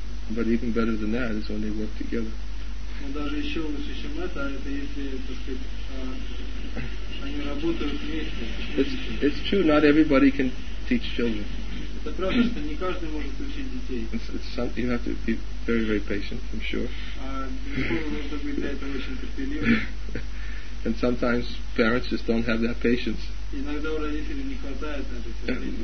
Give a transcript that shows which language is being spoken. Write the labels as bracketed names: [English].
[English] But even better than that is when they work together. [Russian] Но даже еще лучше, чем это если, так сказать, они работают вместе. [English] It's true, not everybody can teach children. [Russian] Это правда, что не каждый может учить детей. [English] You have to be very, very patient, I'm sure. [Russian] Нужно быть для этого очень терпеливым. [English] And sometimes parents just don't have that patience. [Russian] Иногда у родителей не хватает на это терпения.